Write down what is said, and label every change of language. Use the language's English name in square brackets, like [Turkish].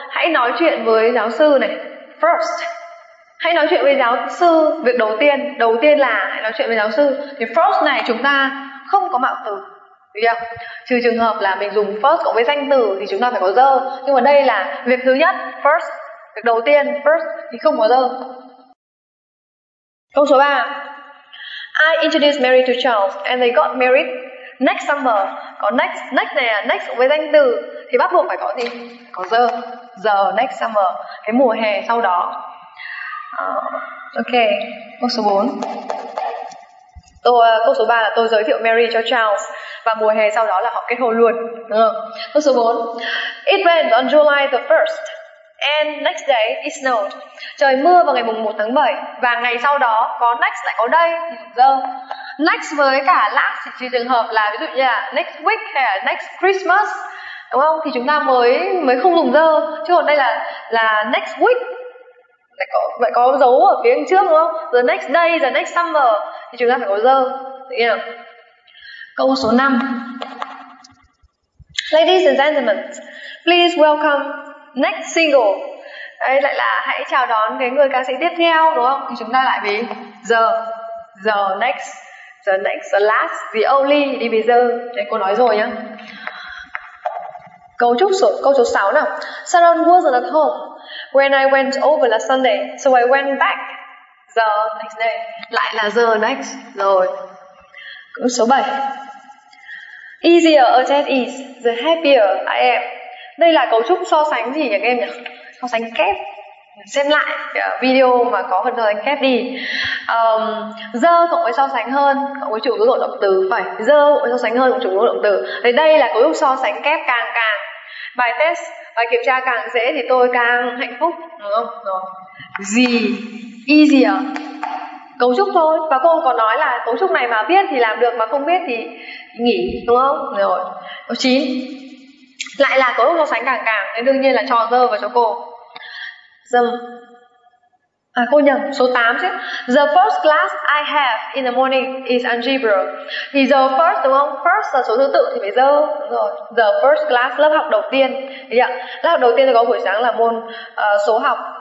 [Vietnamese] Hãy nói chuyện với giáo sư này. First. Hãy nói chuyện với giáo sư, việc đầu tiên. Đầu tiên là hãy nói chuyện với giáo sư. Thì first này chúng ta không có mạo từ, được chưa? Trừ trường hợp là mình dùng first cộng với danh từ thì chúng ta phải có the. Nhưng mà đây là việc thứ nhất, first, việc đầu tiên, first, thì không có the. Câu số 3. [English] I introduced Mary to Charles and they got married next summer. [Vietnamese] Có next này là next cộng với danh từ thì bắt buộc phải có gì? Có the next summer, cái mùa hè sau đó. Ok, câu số 4. Câu số 3 là tôi giới thiệu Mary cho Charles và mùa hè sau đó là họ kết hôn luôn. Câu số 4. [English] It rained on July the 1st and next day it snowed. [Vietnamese] Trời mưa vào ngày mùng 1 tháng 7 và ngày sau đó có next lại có đây. Next với cả last thì trường hợp là ví dụ như là next week hay là next Christmas, đúng không? Thì chúng ta mới không dùng the. Chứ còn đây là next week lại có dấu ở phía trước, đúng không? [English] The next day, the next summer [Vietnamese] thì chúng ta phải có the. Câu số 5. [English] Ladies and gentlemen, please welcome next single. [Vietnamese] Đây lại là hãy chào đón cái người ca sĩ tiếp theo, đúng không? Thì chúng ta lại vì [English] the next, the last, the only, [Vietnamese] đi vì the. Đấy, cô nói rồi nhá. Câu số 6 nào. [English] Sharon wasn't at home when I went over last Sunday, so I went back the next day. [Vietnamese] Lại là the next. Rồi. Câu số 7. [English] Easier a test is, the happier I am. [Vietnamese] Đây là cấu trúc so sánh gì nhỉ các em nhỉ? So sánh kép. Xem lại video mà có phần so sánh kép đi. The cộng với so sánh hơn cộng với chủ ngữ động từ. Phải. The cộng với so sánh hơn cộng chủ ngữ động từ. Thì đây là cấu trúc so sánh kép càng. Bài test, bài kiểm tra càng dễ thì tôi càng hạnh phúc, đúng không? Rồi. Gì? Easier. Cấu trúc thôi. Và cô còn nói là cấu trúc này mà biết thì làm được, mà không biết thì nghỉ, đúng không? Rồi. Câu 9. Lại là cấu trúc so sánh càng, nên đương nhiên là cho dơ vào cho cô. Cô nhầm, số 8 chứ. [English] The first class I have in the morning is algebra. [Vietnamese] Thì the first, đúng không? First là số thứ tự thì phải the. Rồi. [English] The first class, [Vietnamese] lớp học đầu tiên. Yeah. Lớp học đầu tiên thì có buổi sáng là môn số học.